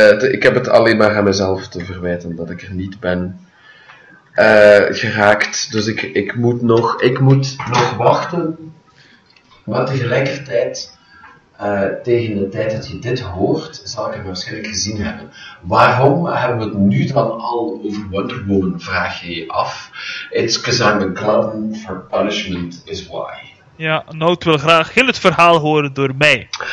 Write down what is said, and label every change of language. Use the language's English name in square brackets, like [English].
[Dutch] Ik heb het alleen maar aan mezelf te verwijten dat ik er niet ben geraakt. Dus ik moet nog wachten. Maar tegelijkertijd, tegen de tijd dat je dit hoort, zal ik hem waarschijnlijk gezien hebben. Waarom hebben we het nu dan al over Wonder Woman, vraag je je af. [English] It's because I'm a glutton for punishment is why. [Dutch] Ja, Noot wil graag heel het verhaal horen door mij.